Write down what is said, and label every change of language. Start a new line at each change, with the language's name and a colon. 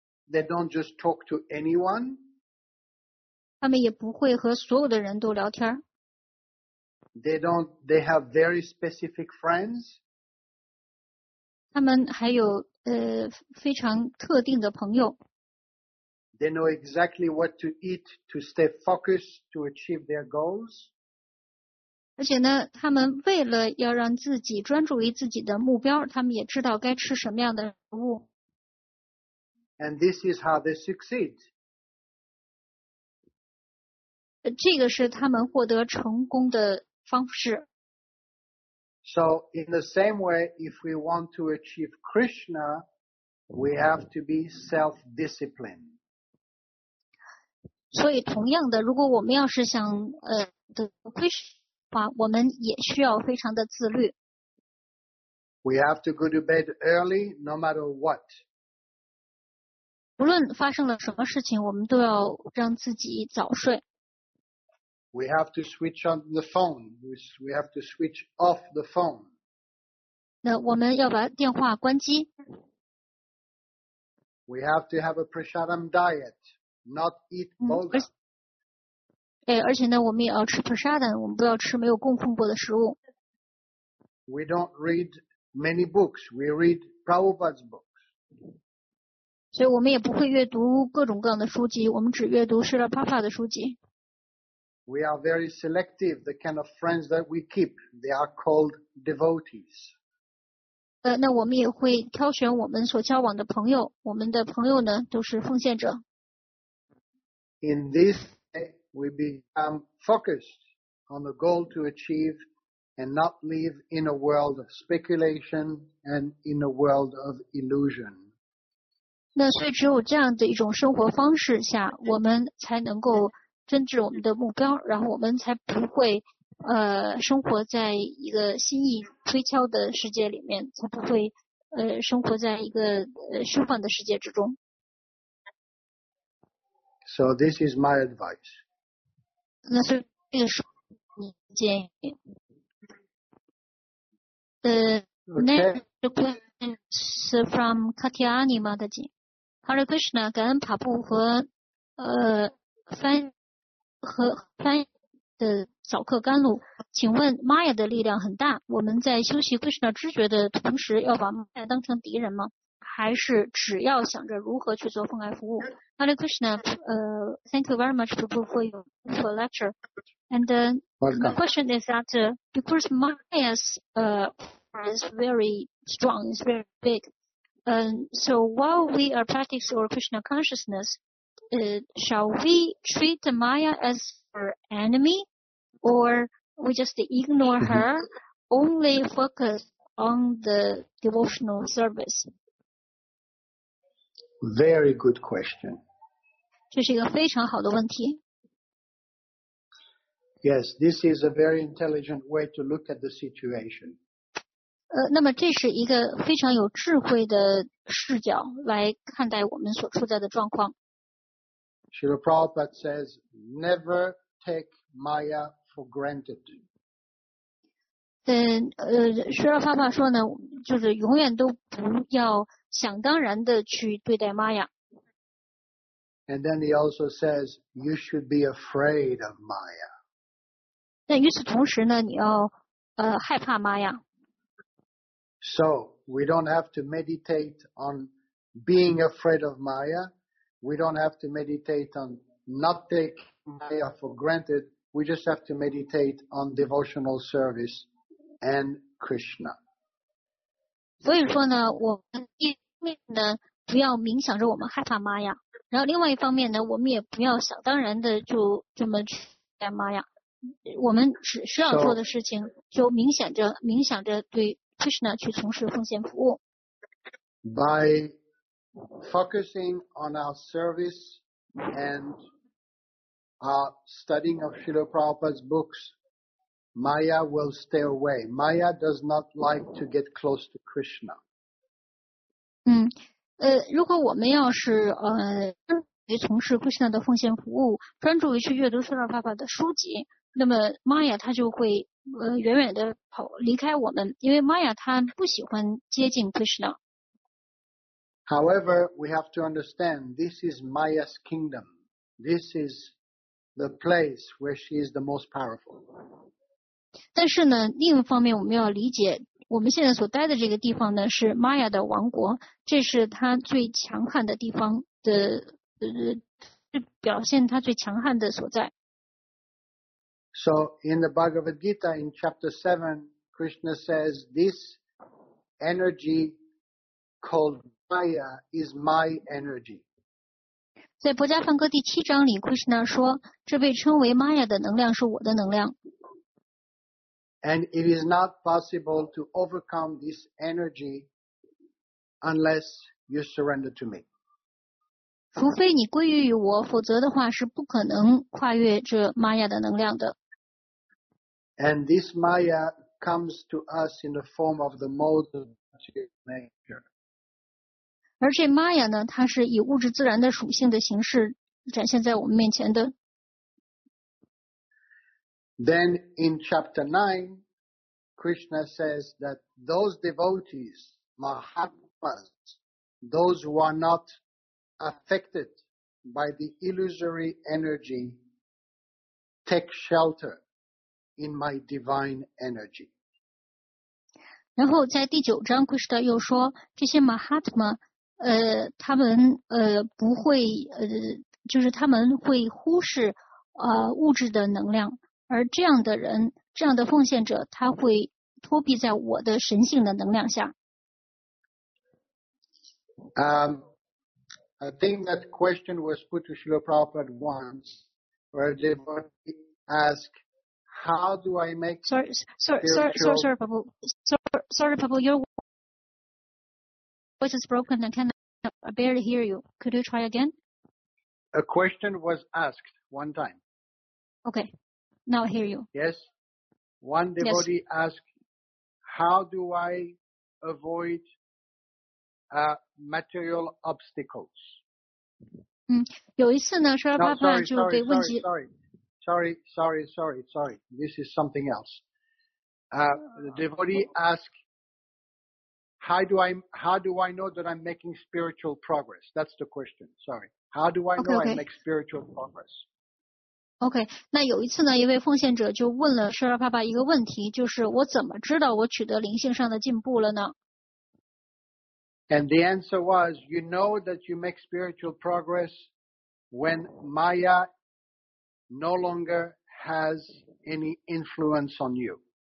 English: They don't just talk to anyone.
Chinese: 他们也不会和所有的人都聊天。
English: They have very specific friends.
Chinese: 他们还有非常特定的朋友。
English: They know exactly what to eat to stay focused to achieve their goals.
Chinese: 而且呢他们为了要让自己专注于自己的目标他们也知道该吃什么样的食物。
English: And this is how they succeed.
Chinese: 这个是他们获得成功的方式。
English: So in the same way, if we want to achieve Krishna, we have to be self-disciplined.
Chinese: 所以同样的如果我们要是想得到 Krishna,我们也需要非常的自律。
English: We have to go to bed early, no matter what.
Chinese: 无论发生了什么事情，我们都要让自己早睡。
English: We have to switch on the phone. We have to switch off the phone.
Chinese: 那我们要把电话关机。
English: We have to have a prasadam diet, not eat bolga.
Chinese: 而且呢我们也要吃 prasadam, 我们不要吃没有供奉过的食物。
English: We don't read many books, we read Prabhupada's books.
Chinese: 所以我们也不会阅读各种各样的书籍，我们只阅读施拉帕帕的书籍。
English: We are very selective. The kind of friends that we keep, they are called devotees.
Chinese: 那我们也会挑选我们所交往的朋友，我们的朋友呢，都是奉献者。
English: In this way, we become focused on the goal to achieve and not live in a world of speculation and in a world of illusion.
Chinese: 那所以只有这样的一种生活方式下，我们才能够真正我们的目标，然后我们才不会生活在一个心意推敲的世界里面，才不会生活在一个虚幻的世界之中。
English: So this is my advice.
Chinese: 那是这个是你的建议。
English: Okay. Next question is from Katyani Madaji.
Chinese: Hare Krishna, 感恩爬布和翻的早课甘露，请问 Maya 的力量很大，我们在休息 Krishna 知觉的同时要把 Maya 当成敌人吗？还是只要想着如何去做奉爱服务？
English: Hare Krishna, thank you very much for your lecture. And the question is that because Maya's is very strong, is very big. So while we are practicing our Krishna consciousness, shall we treat the Maya as our enemy, or we just ignore her, only focus on the devotional service? Very good question.
Chinese: 这是一个非常好的问题。
English: Yes, this is a very intelligent way to look at the situation.
Chinese: 那么这是一个非常有智慧的视角来看待我们所处在的状况。
English: Srila Prabhupada says, never take Maya for granted.
Chinese: Srila Prabhupada 说呢，就是永远都不要想当然的去对待 Maya.
English: And then he also says, you should be afraid of Maya.
Chinese: 但与此同时呢，你要害怕 Maya.
English: So, we don't have to meditate on being afraid of Maya. We don't have to meditate on not taking Maya for granted. We just have to meditate on devotional service and Krishna.
Chinese: 所以说呢，我们一方面呢，不要冥想着我们害怕 Maya， 然后另外一方面呢，我们也不要想当然的就这么去爱 Maya。我们只需要做的事情，就冥想着对Krishna 去从事奉献服务。
English: By focusing on our service and our studying of Srila Prabhupada's books, Maya will stay away. Maya does not like to get close to Krishna.
Chinese: 如果我们要是从事 Krishna 的奉献服务，专注于去阅读 Srila Prabhupada 的书籍，那么 Maya 他就会远远的跑离开我们，因为 Maya 他不喜欢接近 Krishna。
English: However, we have to understand this is Maya's kingdom. This is the place where she is the most powerful.
Chinese: 但是呢，另一方面我们要理解，我们现在所待的这个地方呢是 Maya 的王国，这是他最强悍的地方的表现他最强悍的所在。
English: So in the Bhagavad Gita in chapter 7, Krishna says, this energy called Maya is my energy.
Chinese: 在博迦梵歌第七章里 Krishna 说，这被称为 Maya 的能量是我的能量。
English: And it is not possible to overcome this energy unless you surrender to me.
Chinese: 除非你归于我，否则的话是不可能跨越这玛雅的能量的。
English: And this Maya comes to us in the form of the mode of nature.
Chinese: 而这玛雅呢，它是以物质自然的属性的形式展现在我们面前的。
English: Then in chapter 9, Krishna says that those devotees, Mahatmas, those who are notaffected by the illusory energy, take shelter in my divine energy.
Chinese: 然后在第九章 Krishna 又说，这些 Mahatma 他们不会就是他们会忽视物质的能量，而这样的人，这样的奉献者，他会托庇在我的神性的能量下。
English: I think that question was put to Srila Prabhupada once, where a devotee asked, how do I make Prabhu, your voice is broken, I cannot barely hear you. Could you try again? A question was asked one time. Okay, now I hear you. Yes, one devotee yes. asked, how do I avoid material obstacles?
Chinese: 有一次呢，舍尔巴巴就被问及。
English: Sorry. This is something else. The devotee asked, how do I know that I'm making spiritual progress? That's the question. Sorry. How do I know okay. I make spiritual progress? Okay.
Chinese: 那有一次呢，一位奉献者就问了舍尔巴巴一个问题，就是我怎么知道我取得灵性上的进步了呢？
English: And the answer was, you know that you make spiritual progress when Maya no longer has any influence on you.